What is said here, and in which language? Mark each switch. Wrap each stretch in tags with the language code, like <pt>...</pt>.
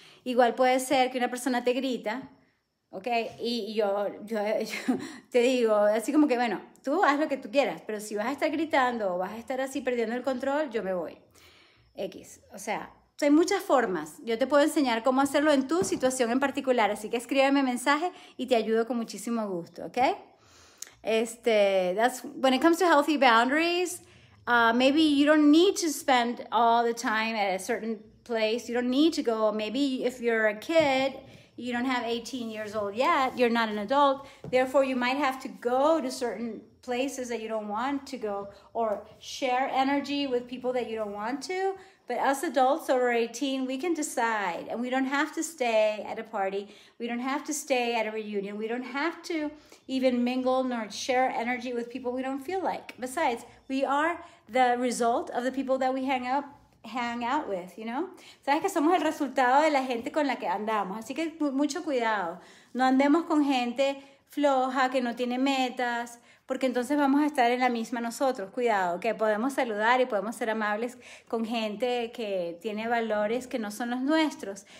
<es>Igual puede ser que una persona te grita, ¿ok? Y yo te digo, así como que, bueno, tú haz lo que tú quieras, pero si vas a estar gritando o vas a estar así perdiendo el control, yo me voy. X. O sea, hay muchas formas. Yo te puedo enseñar cómo hacerlo en tu situación en particular, así que escríbeme mensaje y te ayudo con muchísimo gusto, ¿ok?</es> <en>When it comes to healthy boundaries, maybe you don't need to spend all the time at a certain place. You don't need to go. Maybe if you're a kid, you don't have 18 years old yet. You're not an adult. Therefore, you might have to go to certain places that you don't want to go or share energy with people that you don't want to. But us adults over 18, we can decide. And we don't have to stay at a party. We don't have to stay at a reunion. We don't have to even mingle nor share energy with people we don't feel like. Besides, we are the result of the people that we hang out with, you know?</en> <es>Sabes que somos el resultado de la gente con la que andamos. Así que mucho cuidado. No andemos con gente floja, que no tiene metas, porque entonces vamos a estar en la misma nosotros. Cuidado, que podemos saludar y podemos ser amables con gente que tiene valores que no son los nuestros.</es>